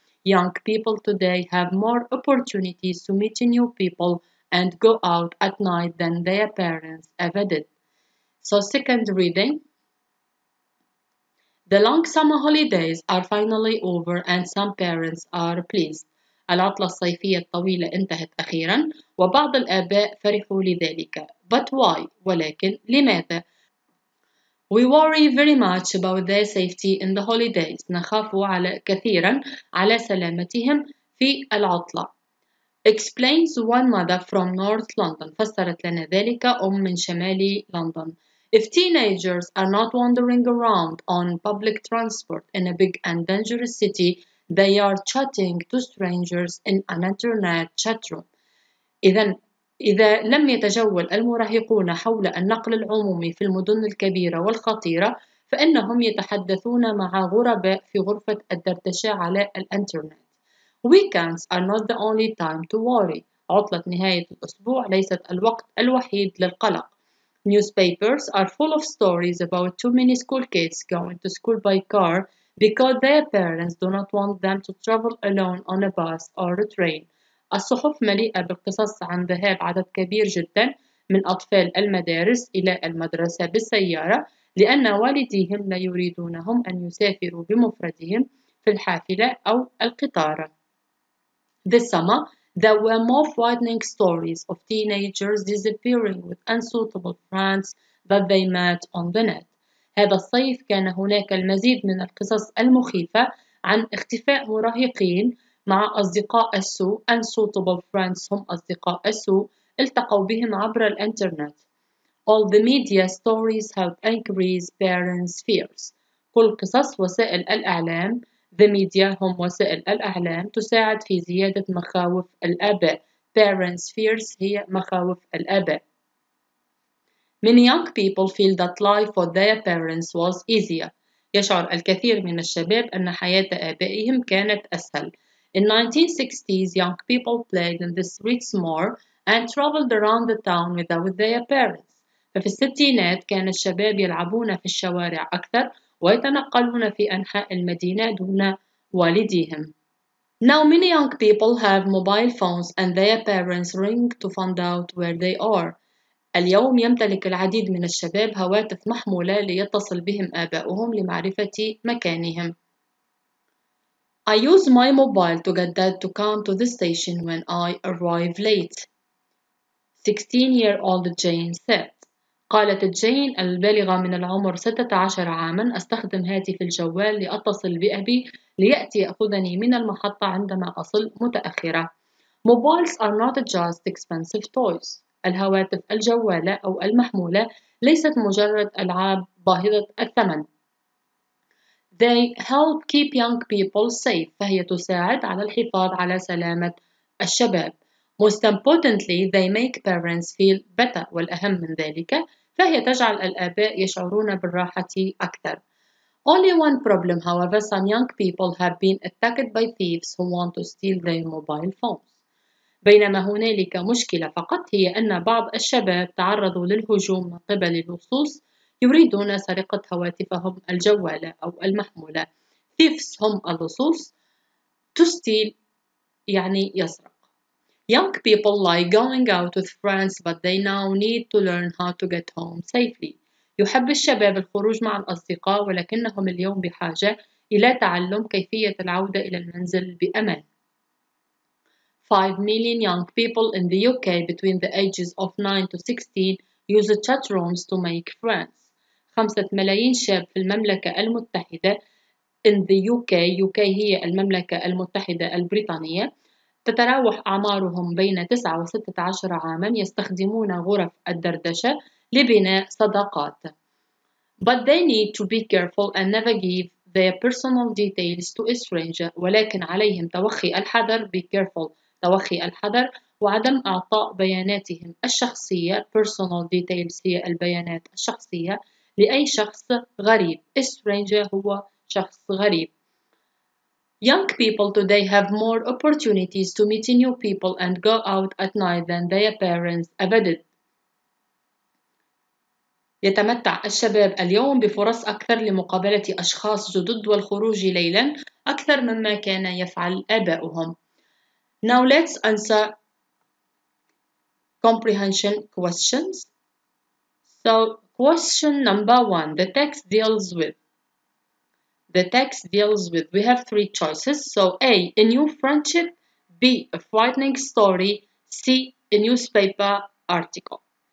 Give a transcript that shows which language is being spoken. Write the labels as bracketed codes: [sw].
[en] Young people today have more opportunities to meet new people and go out at night than their parents ever did. So, second reading. The long summer holidays are finally over and some parents are pleased. [ar] العطلة الصيفية الطويلة انتهت أخيراً وبعض الآباء فرحوا لذلك. [en] But why? [ar] ولكن لماذا? [en] We worry very much about their safety in the holidays. [ar] نخاف على كثيراً على سلامتهم في العطلة. [en] Explains one mother from North London. [ar] فسرت لنا ذلك أم من شمال لندن. [en] If teenagers are not wandering around on public transport in a big and dangerous city, they are chatting to strangers in an internet chat room. [ar] إذا لم يتجول المراهقون حول النقل العمومي في المدن الكبيرة والخطيرة، فإنهم يتحدثون مع غرباء في غرفة الدردشة على الإنترنت. [en] Weekends are not the only time to worry. [ar] عطلة نهاية الأسبوع ليست الوقت الوحيد للقلق. [en] Newspapers are full of stories about too many school kids going to school by car because their parents do not want them to travel alone on a bus or a train. [ar] الصحف مليئة بالقصص عن ذهاب عدد كبير جدا من أطفال المدارس إلى المدرسة بالسيارة لأن والديهم لا يريدونهم أن يسافروا بمفردهم في الحافلة أو القطار. [en] This summer, there were more frightening stories of teenagers disappearing with unsuitable friends that they met on the net. [ar] هذا الصيف كان هناك المزيد من القصص المخيفة عن اختفاء مراهقين مع أصدقاء السوء. [en] Unsuitable friends [ar] هم أصدقاء السوء التقوا بهم عبر الإنترنت. [en] All the media stories help increase parents' fears. [ar] كل قصص وسائل الإعلام [en] The media [ar] هم وسائل الأعلام تساعد في زيادة مخاوف الآباء. [en] Parents' fears [ar] هي مخاوف الآباء. [en] Many young people feel that life for their parents was easier. [ar] يشعر الكثير من الشباب أن حياة آبائهم كانت أسهل. [en] In 1960s, young people played in the streets more and traveled around the town without their parents. [ar] ففي الستينات كان الشباب يلعبون في الشوارع أكثر ويتنقلون في أنحاء المدينة دون والديهم. [en] Now many young people have mobile phones and their parents ring to find out where they are. [ar] اليوم يمتلك العديد من الشباب هواتف محمولة ليتصل بهم آباؤهم لمعرفة مكانهم. [en] I use my mobile to get dad to come to the station when I arrive late. 16-year-old Jane said. [ar] قالت جين البالغة من العمر 16 عاماً أستخدم هاتفي الجوال لأتصل بأبي ليأتي يأخذني من المحطة عندما أصل متأخرة. [en] Mobiles are not just expensive toys. [ar] الهواتف الجوالة أو المحمولة ليست مجرد ألعاب باهظة الثمن. [en] They help keep young people safe. [ar] فهي تساعد على الحفاظ على سلامة الشباب. [en] Most importantly, they make parents feel better. [ar] والأهم من ذلك، فهي تجعل الآباء يشعرون بالراحة أكثر. [en] Only one problem, however, some young people have been attacked by thieves who want to steal their mobile phones. [ar] بينما هنالك مشكلة فقط هي أن بعض الشباب تعرضوا للهجوم من قبل اللصوص يريدون سرقة هواتفهم الجوالة أو المحمولة. [en] Thieves [ar] هم اللصوص. [en] To steal [ar] يعني يسرق. [en] Young people like going out with friends but they now need to learn how to get home safely. [ar] يحب الشباب الخروج مع الأصدقاء ولكنهم اليوم بحاجة إلى تعلم كيفية العودة إلى المنزل بأمان. [en] 5 million young people in the UK between the ages of 9 to 16 use chat rooms to make friends. [ar] 5 ملايين شاب في المملكة المتحدة [en] in the UK. [ar] UK هي المملكة المتحدة البريطانية. تتراوح أعمارهم بين 9 و16 عاما يستخدمون غرف الدردشة لبناء صداقات. [en] But they need to be careful and never give their personal details to a stranger. [ar] ولكن عليهم توخي الحذر. [en] Be careful. [ar] توخي الحذر وعدم إعطاء بياناتهم الشخصية [en] personal details [ar] هي البيانات الشخصية لأي شخص غريب. [en] A stranger [ar] هو شخص غريب. [en] Young people today have more opportunities to meet new people and go out at night than their parents ever did. [ar] يتمتع الشباب اليوم بفرص أكثر لمقابلة أشخاص جدد والخروج ليلا أكثر مما كان يفعل آباؤهم. [en] Now let's answer comprehension questions. So question number one, the text deals with. The text deals with. We have three choices. So A, a new friendship. B, a frightening story. C, a newspaper article.